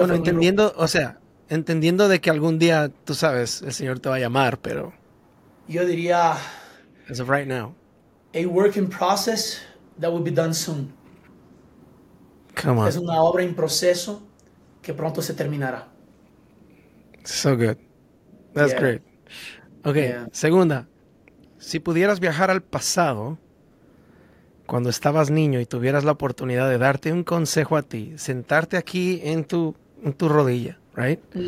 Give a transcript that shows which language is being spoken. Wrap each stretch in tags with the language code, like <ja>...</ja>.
<es>bueno, entendiendo, libro, o sea, entendiendo de que algún día, tú sabes, el Señor te va a llamar, pero... Yo diría...</es> <en>As of right now. A work in process that will be done soon. Come on.</en> <es>Es una obra en proceso que pronto se terminará.</es> <en>So good. That's great.</en> <es>Okay, segunda. Si pudieras viajar al pasado cuando estabas niño y tuvieras la oportunidad de darte un consejo a ti, sentarte aquí en tu rodilla, right?</es>